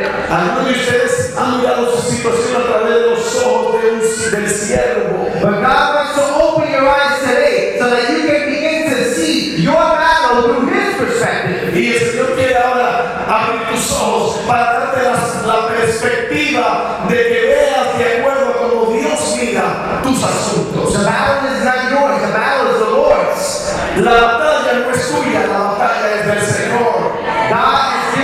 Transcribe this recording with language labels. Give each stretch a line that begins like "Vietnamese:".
Spanish: Algunos de ustedes han mirado su situación a través de los ojos de un, del siervo.
English: But God wants to open your eyes today so that you can begin to see your battle through His perspective.
Spanish: Y el Señor quiere ahora abrir tus ojos para darte la, la perspectiva de que veas de acuerdo a como Dios mira tus asuntos.
English: The battle is not yours, the battle is the Lord's.
Spanish: La batalla no es tuya, la batalla es del Señor.